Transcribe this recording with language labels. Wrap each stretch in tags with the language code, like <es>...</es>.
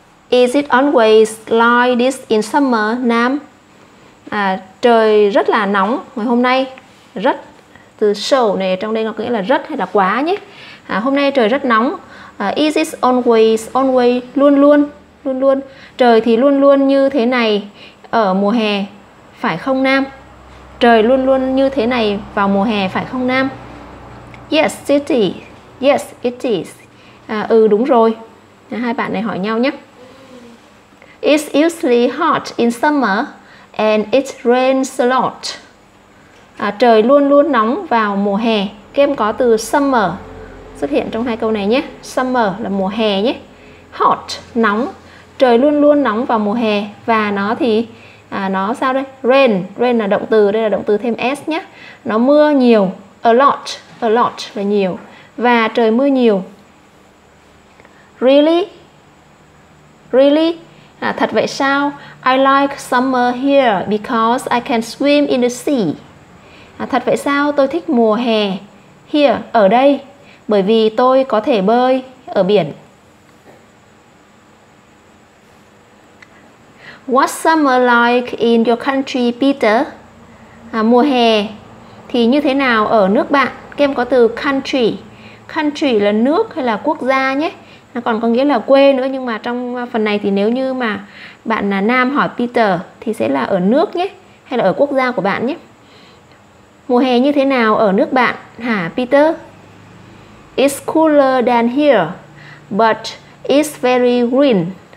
<en>Is it always like this in summer, Nam?</en> <vi>À, trời rất là nóng ngày hôm nay. Rất, từ so này trong đây nó có nghĩa là rất hay là quá nhé. À, hôm nay trời rất nóng. À,</vi> <en>is it always, always,</en> <vi>luôn luôn, luôn luôn. Trời thì luôn luôn như thế này ở mùa hè, phải không Nam? Trời luôn luôn như thế này vào mùa hè, phải không Nam?</vi> <en>Yes, it is. Yes, it is.</en> <vi>À, ừ, đúng rồi. À, hai bạn này hỏi nhau nhé.</vi> <en>It's usually hot in summer and it rains a lot.</en> <vi>À, trời luôn luôn nóng vào mùa hè. Kem có từ summer xuất hiện trong hai câu này nhé. Summer là mùa hè nhé. Hot, nóng. Trời luôn luôn nóng vào mùa hè. Và nó thì, à, nó sao đây? Rain, rain là động từ, đây là động từ thêm s nhé. Nó mưa nhiều, a lot là nhiều. Và trời mưa nhiều.</vi> <en>Really? Really?</en> <vi>À, thật vậy sao?</vi> <en>I like summer here because I can swim in the sea.</en> <vi>À, thật vậy sao? Tôi thích mùa hè</vi> <en>here,</en> <vi>ở đây, bởi vì tôi có thể bơi ở biển.</vi> <en>What's summer like in your country, Peter?</en> <vi>À, mùa hè thì như thế nào ở nước bạn? Kem có từ country. Country là nước hay là quốc gia nhé. Nó còn có nghĩa là quê nữa, nhưng mà trong phần này thì nếu như mà bạn là Nam hỏi Peter thì sẽ là ở nước nhé, hay là ở quốc gia của bạn nhé. Mùa hè như thế nào ở nước bạn hả Peter?</vi> <en>It's cooler than here, but it's very green.</en>